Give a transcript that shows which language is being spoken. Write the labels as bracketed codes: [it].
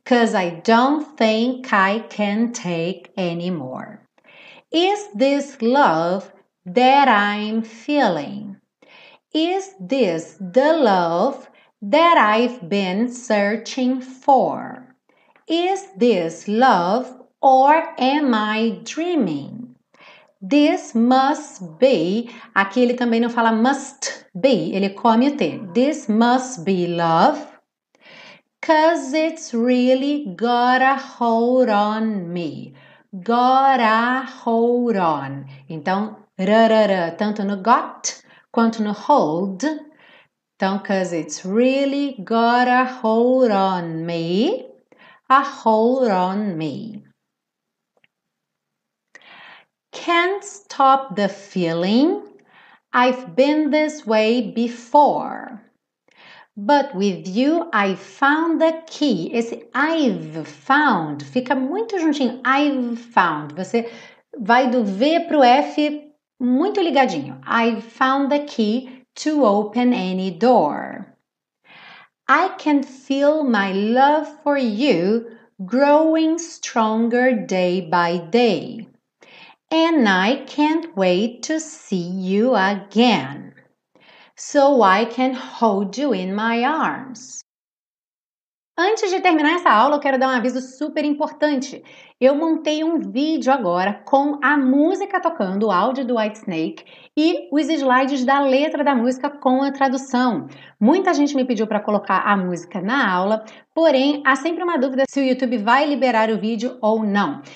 [en] Cause I don't think I can take anymore. Is this love that I'm feeling? Is this the love that I've been searching for? Is this love or am I dreaming? This must be, [pt] aqui ele também não fala must be, ele come o T. [en] This must be love, cause it's really got a hold on me. Got a hold on. [pt] Então, rarara, tanto no got quanto no hold. [en] Então, cause it's really got a hold on me. A hold on me. Can't stop the feeling. I've been this way before. But with you, I found the key. [pt] Esse I've found fica muito juntinho. [en] I've found. [pt] Você vai do V pro F muito ligadinho. [en] I've found the key to open any door. I can feel my love for you growing stronger day by day. And I can't wait to see you again. So I can hold you in my arms. [pt] Antes de terminar essa aula, eu quero dar um aviso super importante. Eu montei um vídeo agora com a música tocando, o áudio do Whitesnake, e os slides da letra da música com a tradução. Muita gente me pediu para colocar a música na aula, porém, há sempre uma dúvida se o YouTube vai liberar o vídeo ou não.